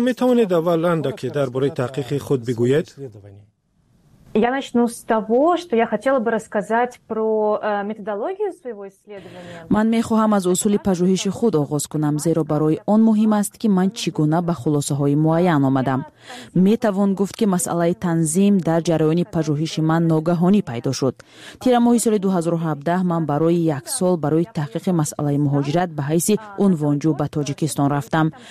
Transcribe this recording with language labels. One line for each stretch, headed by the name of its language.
Persian: می توانید اولا که در باره تحقیق خود بگوید؟
Russian: Я начну с того, что я хотела бы рассказать про методологию своего исследования.
Tajik: Ман мехоҳам аз усули пажӯҳиши худ оғоз кунам, зеро барои он муҳим аст ки ман чӣ гуна ба хулосаҳои муайян омадам. Метавон гуфт ки масъалаи танзим дар ҷараёни пажӯҳиши ман ногаҳонӣ пайдо шуд. Тира моҳи соли 2017 ман барои як сол барои таҳқиқи масъалаи муҳоҷират ба ҳайси унвонҷӯ ба Тоҷикистон рафтам.